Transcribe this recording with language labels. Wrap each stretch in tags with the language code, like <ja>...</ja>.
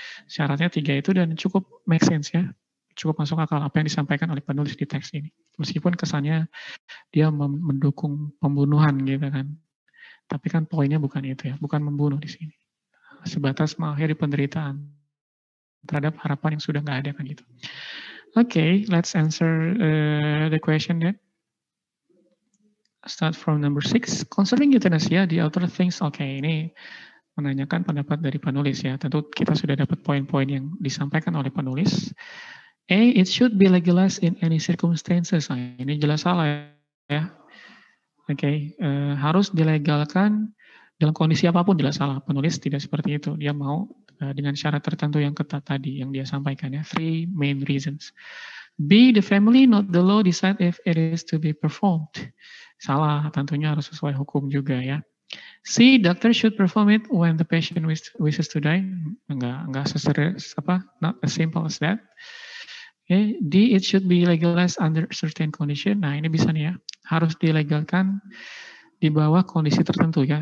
<id>syaratnya tiga itu dan cukup make sense ya, cukup masuk akal apa yang disampaikan oleh penulis di teks ini, meskipun kesannya dia mendukung pembunuhan gitu kan, tapi kan poinnya bukan itu ya, bukan membunuh di sini, sebatas mengakhiri penderitaan terhadap harapan yang sudah nggak ada kan gitu.</id> <en>Okay, let's answer the question then. Start from number 6. Concerning euthanasia, the author thinks,</en> <id>okay, ini menanyakan pendapat dari penulis ya. Tentu kita sudah dapat poin-poin yang disampaikan oleh penulis.</id> <en>A, it should be legalized in any circumstances.</en> <id>Ini jelas salah ya. Oke, okay, harus dilegalkan dalam kondisi apapun, jelas salah. Penulis tidak seperti itu. Dia mau dengan syarat tertentu yang ketat tadi, yang dia sampaikan ya.</id> <en>Three main reasons. B, the family, not the law, decide if it is to be performed.</en> <id>Salah, tentunya harus sesuai hukum juga ya.</id> <en>C, doctor should perform it when the patient wishes to die.</en> <id>Enggak seserius, apa,</id> <en>not as simple as that.</en> <id>Okay.</id> <en>D, it should be legalized under certain condition.</en> <id>Nah, ini bisa nih ya. Harus dilegalkan di bawah kondisi tertentu ya.</id>